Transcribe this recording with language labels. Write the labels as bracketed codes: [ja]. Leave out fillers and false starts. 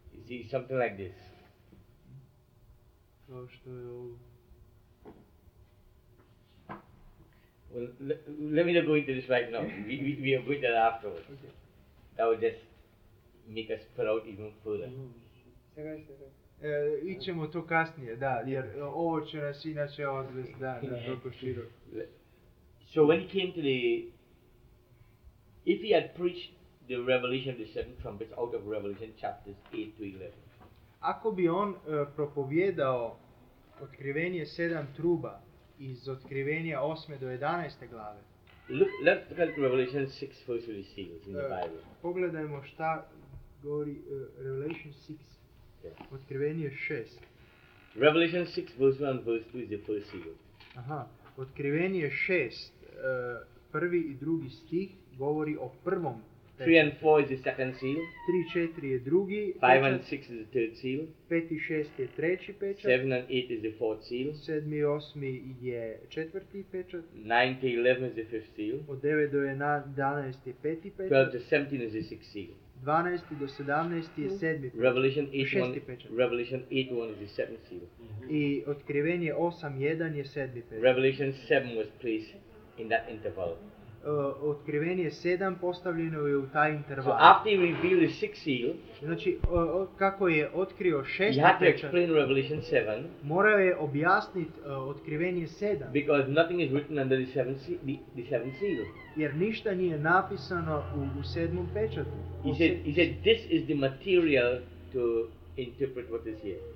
[en] You see, something like this. [hr] Kao što je ovo. [en] Well, let me not go into this right now. We are going to that afterwards. Okay. That would just make us put out even further. [hr] Ićemo to kasnije, da, jer ovo će nas inače odvesti, da, na toliko širo. [en] So when he came to the, if he had preached the revelation of the seven trumpets out of Revelation chapters 8 to 11. [hr] Ako bi on propovjedao otkrivenje sedam truba iz otkrivenja 8. do 11. glave. [en] Let's look at Revelation 6 first with the seals in the Bible. [hr] Pogledajmo šta govori Revelation 6. Otkrivenje 6. [en] Revelation 6 verse 1 verse 2 is the first seal. [hr] Aha. Otkrivenje 6, prvi i drugi stih govori o prvom. [en] 3 and 4 is the second seal. [hr] 3 4 je drugi. [en] 5 and 6 is the third seal. [hr] 5 i 6 je treći pečat. [en] 7 and 8 is the fourth seal. [hr] 7 i 8 je četvrti pečat. [en] 9 to 11 is the fifth seal. [hr] Od 9 do 11 je peti pečat. [en] 12 to 17 is the sixth seal. [hr] 12 do 17 je sedmi pečat. [en] Revelation 8:1. Revelation 8:1 is the seventh seal. [hr] I otkrivenje 8:1 je sedmi pečat. [en] Revelation 7 was placed in that interval. [hr] Otkrivenje 7 postavljeno je u taj interval. [en] So after he revealed the sixth seal, [hr] znači kako je otkrio šesti pečat. [en] He had to explain Revelation 7. [hr] Morao je objasniti otkrivenje 7. [en] Because nothing is written under the seventh seal. [hr] Jer ništa nije napisano u sedmom pečatu. [en] He said, this is the material to interpret what is here.